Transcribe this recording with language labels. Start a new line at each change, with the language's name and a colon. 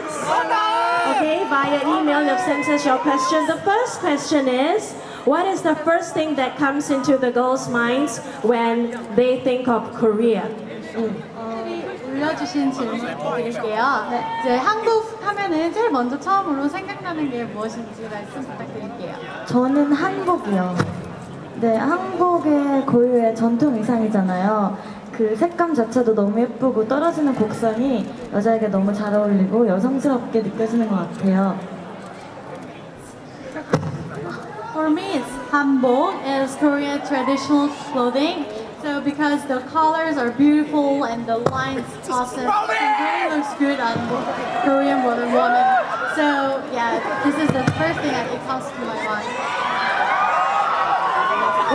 English: Okay, via email, you've sent us your question. The first question is, what is the first thing that comes into the girls' minds when they think of Korea?
Korean: 올려주신 질문 드릴게요. 네, 이제 한국 하면은 제일 먼저 처음으로 생각나는 게 무엇인지 말씀 부탁드릴게요. 저는 한복이요. 네, 한복의 고유의 전통 의상이잖아요. 그 색감 자체도 너무 예쁘고 떨어지는 곡선이 여자에게 너무 잘 어울리고 여성스럽게 느껴지는 것 같아요.
English: For me, it's 한복 is Korean traditional clothing. So because the colors are beautiful and the lines awesome, it really looks good on Korean modern woman. So yeah, this is the first thing that it comes to my mind.